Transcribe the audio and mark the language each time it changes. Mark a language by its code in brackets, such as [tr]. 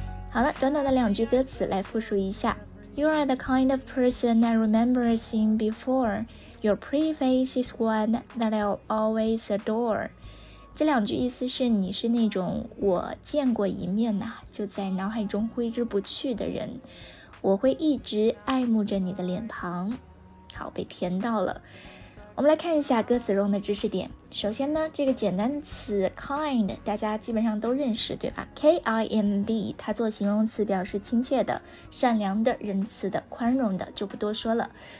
[zh] 好了，短短的两句歌词来复述一下。 [en] You are the kind of person I remember seeing before. Your pretty face is one that I'll always adore. [zh] 这两句意思是你是那种我见过一面呐、就在脑海中挥之不去的人，我会一直爱慕着你的脸庞。好，被甜到了。我们来看一下歌词中的知识点。首先呢，这个简单词 kind 大家基本上都认识对吧， K-I-N-D 它做形容词表示亲切的、善良的、仁慈的、宽容的，就不多说了。